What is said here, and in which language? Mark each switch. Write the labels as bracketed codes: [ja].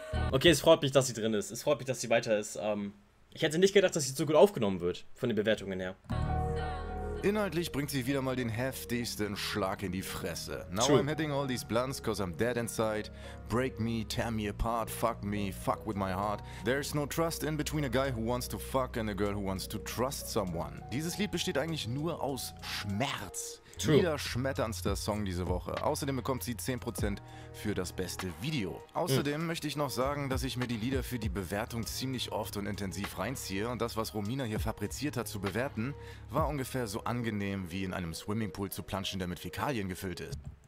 [de] Okay, es freut mich, dass sie drin ist. Es freut mich, dass sie weiter ist. Ich hätte nicht gedacht, dass sie so gut aufgenommen wird, von den Bewertungen her. Inhaltlich bringt sie wieder mal den heftigsten Schlag in die Fresse. [en] Now I'm hitting all these blunts, cause I'm dead inside. Break me, tear me apart, fuck me, fuck with my heart. There's no trust in between a guy who wants to fuck and a girl who wants to trust someone. [de] Dieses Lied besteht eigentlich nur aus Schmerz. Niederschmetterndster Song diese Woche. Außerdem bekommt sie 10% für das beste Video. Außerdem möchte ich noch sagen, dass ich mir die Lieder für die Bewertung ziemlich oft und intensiv reinziehe. Und das, was Romina hier fabriziert hat zu bewerten, war ungefähr so angenehm, wie in einem Swimmingpool zu planschen, der mit Fäkalien gefüllt ist.